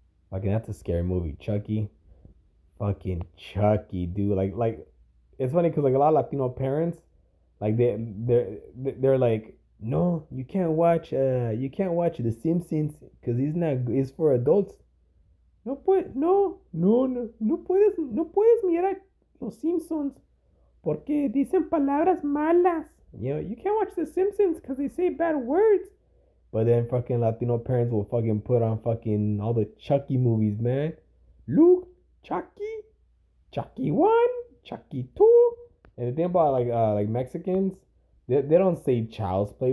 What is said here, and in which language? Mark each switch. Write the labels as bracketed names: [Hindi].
[English] Fucking, that's a scary movie. Chucky. Fucking Chucky, dude. Like, it's funny because, like, a lot of Latino parents, like, they're like, no, you can't watch The Simpsons because it's for adults. [Spanish] No puedes mirar Los Simpsons porque dicen palabras malas. [English] You know, you can't watch The Simpsons because they say bad words. But then fucking Latino parents will fucking put on fucking all the Chucky movies, man. Luke, Chucky, Chucky 1, Chucky 2. And the thing about like Mexicans, they don't say Child's Play.